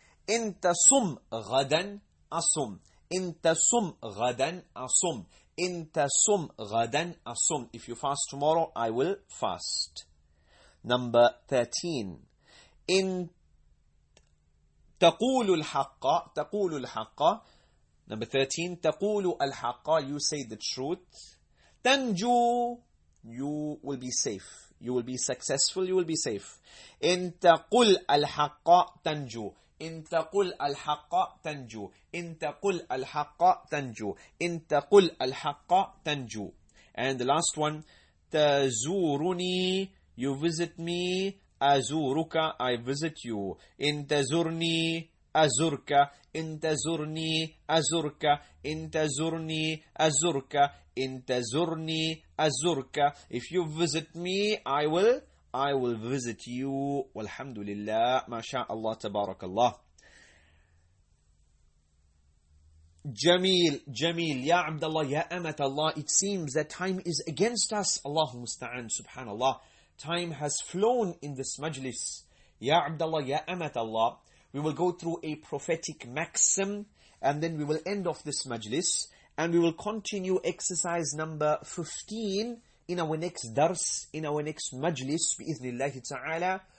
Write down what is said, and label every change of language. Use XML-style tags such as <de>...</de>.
<ar>إن تصوم غدا أصوم. إن تصوم غدا أصوم. إن تصوم غدا أصوم.</ar> <en>If you fast tomorrow, I will fast. Number 13,</en> <ar>إن تقول الحق, تقول الحق.</ar> <en>Number 13,</en> <ar>تقول الحق,</ar> <en>you say the truth. تنجو, you will be safe. You will be successful, you will be safe.</en> <ar>إن تقل الحق تنجو. إن تقل الحق تنجو. إن تقل الحق تنجو. إن تقل الحق تنجو.</ar> <en>And the last one, تزورني, you visit me, أزورك, I visit you.</en> <ar>إن تزورني أزورك, إن تزورني أزورك, إن تزورني أزورك, إن تزورني أزورك.</ar> <en>If you visit me, I will visit you.</en> <ar>والحمد لله ما شاء الله تبارك الله. جميل جميل يا عبد الله يا أمة الله.</ar> <en>It seems that time is against us.</en> <ar>الله مستعان, سبحان الله.</ar> <en>Time has flown in this majlis.</en> <ar>يا عبد الله يا أمة الله.</ar> <en>We will go through a prophetic maxim and then we will end off this majlis and we will continue exercise number 15 in our next dars, in our next majlis,</en> <ar>bi-ithnillahi ta'ala.</ar>